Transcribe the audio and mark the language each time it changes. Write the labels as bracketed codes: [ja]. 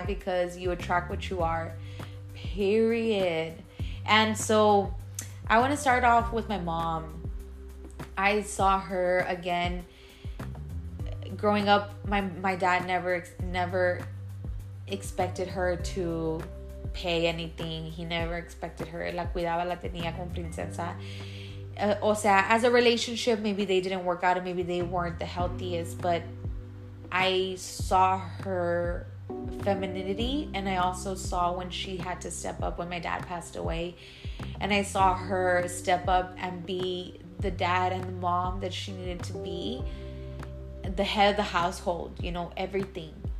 [en] Because you attract what you are, period. And so I want to start off with my mom. I saw her again growing up. My dad never expected her to pay anything. He never expected her. [es] La cuidaba, la tenía como princesa. [en] As a relationship, maybe they didn't work out and maybe they weren't the healthiest, but I saw her femininity, and I also saw when she had to step up when my dad passed away, and I saw her step up and be the dad and the mom that she needed to be, the head of the household, you know, everything.